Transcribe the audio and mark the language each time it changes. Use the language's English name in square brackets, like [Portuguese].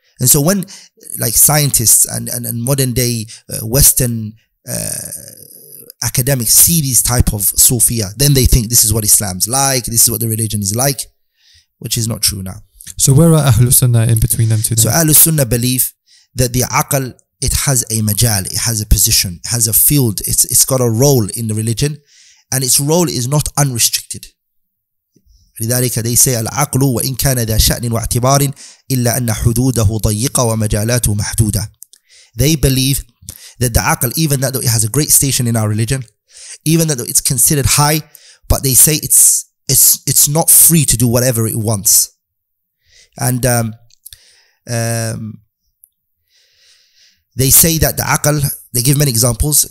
[English] And so when like scientists and modern day Western academics see these type of Sufiya, then they think this is what Islam's like, this is what the religion is like, which is not true now. So where are Ahlul Sunnah in between them two? So Ahlul Sunnah believe that the Aql, it has a majal, it has a position, it has a field, it's got a role in the religion, and its role is not unrestricted. [Arabic] لذلك [English] they say [Arabic] العقل وإن كان ذا شأن واعتبار إلا أن حدوده ضيقة ومجالاته محدودة. [English] They believe that the Aql, even though it has a great station in our religion, even though it's considered high, but they say it's not free to do whatever it wants. And they say that the Aql, they give many examples.